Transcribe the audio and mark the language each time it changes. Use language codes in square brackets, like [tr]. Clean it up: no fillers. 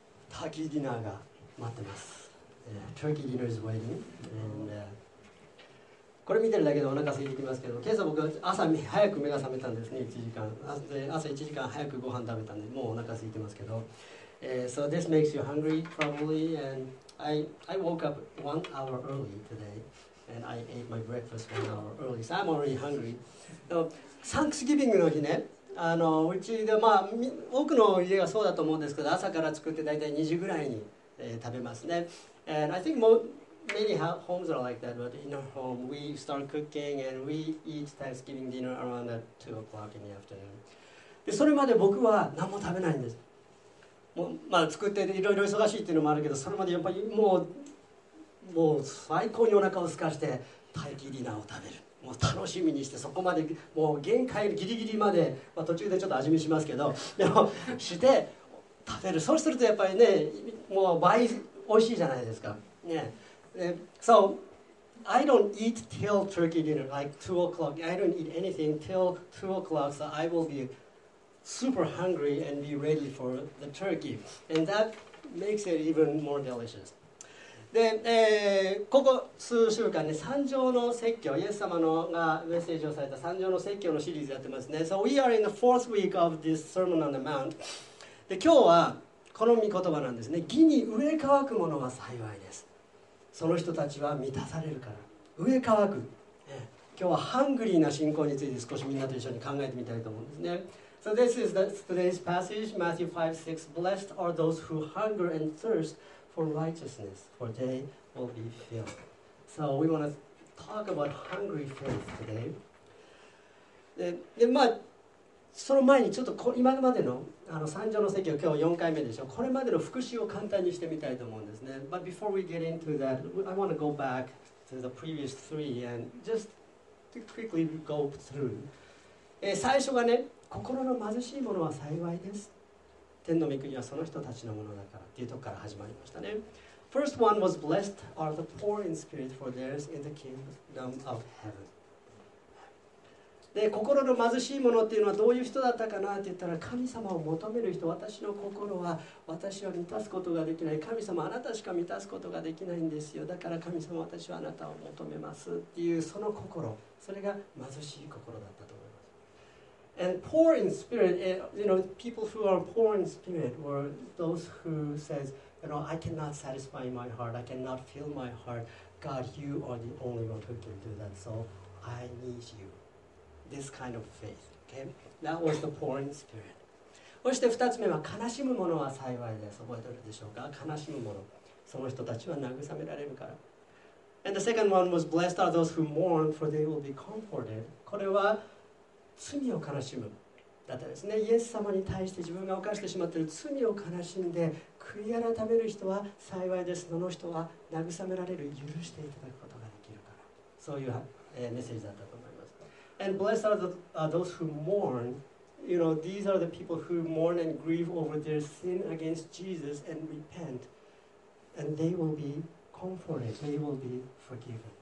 [en] Turkey dinner [ja] が待ってます。 [en] Turkey dinner is waiting. [ja] And, これ見てるだけでお腹空いてきますけど、今朝僕は朝早く目が覚めたんですね、1時間。で朝1時間早くご飯食べたんで、もうお腹空いてますけど。 [en] So this makes you hungry probably, and I woke up 1 hour early today, and I ate my breakfast 1 hour early, so I'm already hungry. [ja] So, Thanksgiving の日ね、あのうちで、まあ、多くの家がそうだと思うんですけど、朝から作って大体2時ぐらいに、食べますね。 [en] And I think many homes are like that, but in our home, we start cooking and we eat Thanksgiving dinner around at 2 o'clock in the afternoon. [ja] で、それまで僕は何も食べないんです。もうまあ、作っていろいろ忙しいっていうのもあるけど、それまでやっぱりもう最高にお腹を空かしてタイキーディナーを食べる、もう楽しみにして、そこまでもう限界ギリギリまで、まあ、途中でちょっと味見しますけど、でもして食べる。そうするとやっぱりね、もう倍美味しいじゃないですかね。 [en] So I don't eat till turkey dinner like 2 o'clock. I don't eat anything till 2 o'clock, so I will be super hungry and be ready for the turkey. And that makes it even more delicious. [ja] で、ここ数週間ね、三条の説教、イエス様のがメッセージをされた三条の説教のシリーズやってますね。 [en] So we are in the fourth week of this Sermon on the Mount. [ja] で、今日はこの御言葉なんですね。義に飢え渇く者は幸いです。その人たちは満たされるから。飢え渇く。今日はハングリーな信仰について少しみんなと一緒に考えてみたいと思うんですね。 [en] So this is today's passage, Matthew 5:6. Blessed are those who hunger and thirst for righteousness, for they will be filled. So we want to talk about hungry faith today. [ja] で、まあ、その前にちょっと今までの、あの三条の説教、今日4回目でしょ。これまでの復習を簡単にしてみたいと思うんですね。 [en] But before we get into that, I want to go back to the previous three and just to quickly go through. [ja] 最初はね、心の貧しいものは幸いです。天の御国はその人たちのものだからっていうとこから始まりましたね。 [en] First one was blessed are the poor in spirit for theirs is the kingdom of heaven. [ja] で、心の貧しいものっていうのはどういう人だったかなって言ったら、神様を求める人、私の心は私を満たすことができない。神様、あなたしか満たすことができないんですよ。だから神様、私はあなたを求めますっていう、その心、それが貧しい心だったと。 [en] And poor in spirit, you know, people who are poor in spirit were those who says, you know, I cannot satisfy my heart, I cannot fill my heart. God, you are the only one who can do that. So I need you. This kind of faith. Okay? That was the poor in spirit. [ja] そして二つ目は、悲しむ者は幸いです。覚えてるでしょうか？悲しむ者。その人たちは慰められるから。 [en] And the second one was, blessed are those who mourn, for they will be comforted. [ja] これは罪を悲しむだったですね。イエス様に対して自分が犯してしまっている罪を悲しんで悔い改める人は幸いです。その人は慰められる、許していただくことができるから、そういう、メッセージだったと思います。 [en] And blessed are those who mourn. You know, these are the people who mourn and grieve over their sin against Jesus and repent, and they will be comforted, they will be forgiven.